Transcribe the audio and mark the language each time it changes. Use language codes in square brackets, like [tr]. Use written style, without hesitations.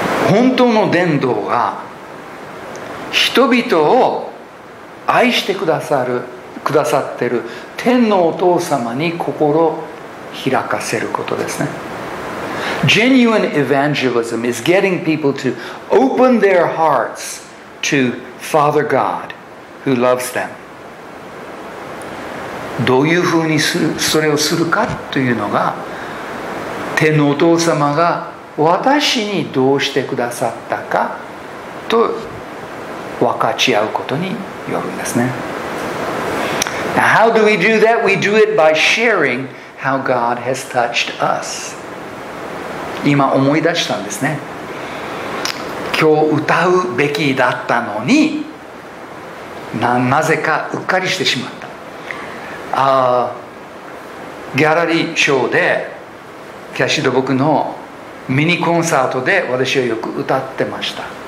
[ja] 本当の伝道は人々を愛してくださってる天のお父様に心を開かせることですね。 [en] Genuine evangelism is getting people to open their hearts to Father God who loves them. [ja] どういうふうにそれをするかというのが、天のお父様が私にどうしてくださったかと分かち合うことによるんですね。 [en] Now, how do we do that? We do it by sharing how God has touched us. [ja] 今思い出したんですね。今日歌うべきだったのに、なぜかうっかりしてしまった。ギャラリーショーで、キャシード僕のミニコンサートで私はよく歌ってました。